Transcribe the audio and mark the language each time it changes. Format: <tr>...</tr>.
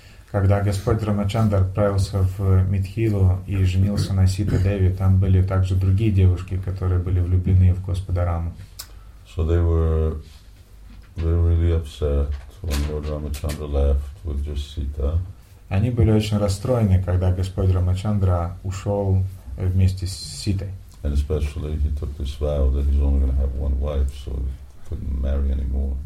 <ru>Когда Господь Рамачандра отправился в Митхилу и женился на Сита Деви, там были также другие девушки, которые были влюблены в Господа Раму.</ru> <en>So they were really upset when Lord Ramachandra left with just Sita.</en> <ru>Они были очень расстроены, когда Господь Рамачандра ушел вместе с Ситой.</ru> <en>And especially he took this vow that he's only going to have one wife, so he couldn't marry anymore.</en>